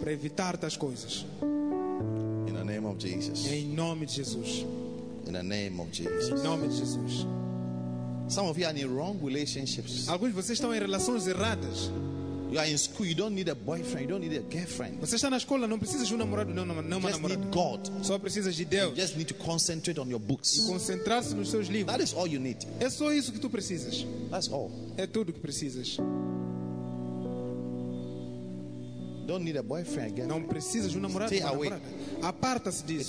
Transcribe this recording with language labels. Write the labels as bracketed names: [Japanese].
[Portuguese] Para evitar tais coisas. [English] Of Jesus. [Portuguese] Em nome de Jesus. [English] In the name of Jesus. [Portuguese] Em nome de Jesus. [English] Some of you are in wrong relationships. [Portuguese] Alguns de vocês estão em relações erradas. [English] You are in school. You don't need a boyfriend. You don't need a girlfriend. [Portuguese] Você está na escola, não precisa de um namorado, não, não, não. [English] Just need God. [Portuguese] Só precisa de Deus. [English] You just need to concentrate on your books. [Portuguese] E concentrar-se nos seus livros. [English] That is all you need. [Portuguese] É só isso que tu precisas. [English] That's all. [Portuguese] É tudo que precisas. [English] Don't need a boyfriend, girlfriend. [Portuguese] Não precisa de um namorado. [English] Stay away. [Portuguese] Aparta-se disso.